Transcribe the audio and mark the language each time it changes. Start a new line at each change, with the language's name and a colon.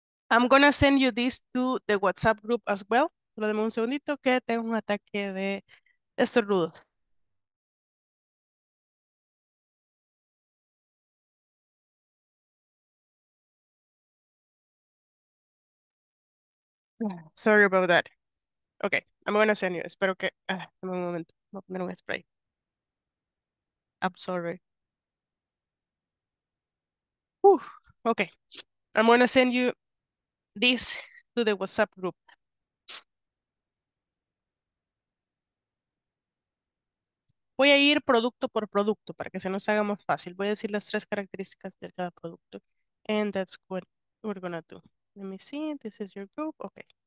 English: I'm gonna send you this to the WhatsApp group as well.
Spanish: Solo deme un segundito que tengo un ataque de estornudo.
English: Sorry about that. Okay, I'm gonna send you.
Spanish: Espero que. Dame un momento. Voy a poner un spray.
English: I'm sorry. Okay. I'm gonna send you this to the WhatsApp group.
Spanish: Voy a ir producto por producto para que se nos haga más fácil. Voy a decir las tres características de cada producto.
English: And that's what we're gonna do. Let me see. This is your group. Okay.